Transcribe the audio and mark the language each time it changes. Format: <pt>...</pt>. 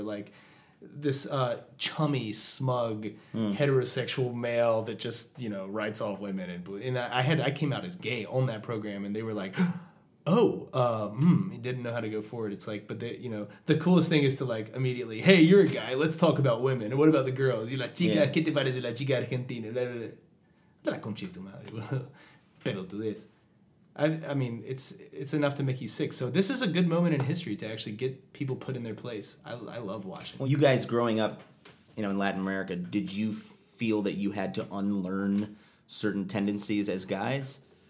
<en>Like, this chummy, smug, heterosexual male that just, you know, writes off women. And I came out as gay on that program, and they were like, he didn't know how to go forward. It's like, but you know, the coolest thing is to like immediately, hey, you're a guy, let's talk about women. What about the girls? You're</en> <es>la chica, ¿qué te parece la chica argentina? La conchita madre. Pero tú dices.</es> <en>I mean, it's enough to make you sick. So this is a good moment in history to actually get people put in their place. I love watching. Well, you guys growing up, you know, in Latin America, did you feel that you had to unlearn certain tendencies as guys?</en>